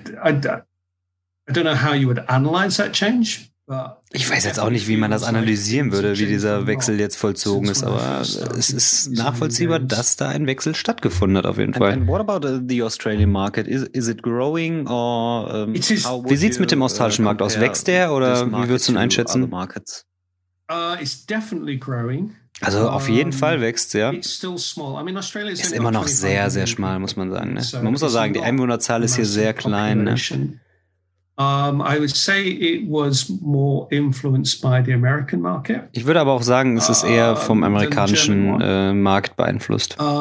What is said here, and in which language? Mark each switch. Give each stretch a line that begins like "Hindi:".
English: I don't know how you would analyze that change, but
German: ich weiß jetzt auch nicht, wie man das analysieren würde, wie dieser Wechsel jetzt vollzogen ist, aber es ist nachvollziehbar, dass da ein Wechsel stattgefunden hat auf jeden Fall.
English: And what about the Australian market? Is it growing or
German: wie sieht's mit dem australischen Markt aus? Wächst der oder wie würdest du ihn einschätzen?
English: It's definitely growing.
German: Also auf jeden Fall wächst, ja.
English: It's still small. I mean, Australia
German: ist immer noch sehr, sehr schmal, muss man sagen. Ne? So man muss auch sagen, die Einwohnerzahl ist hier sehr klein. Ne?
English: I would say it was more influenced by the American market.
German: Ich würde aber auch sagen, es ist eher vom amerikanischen Markt beeinflusst.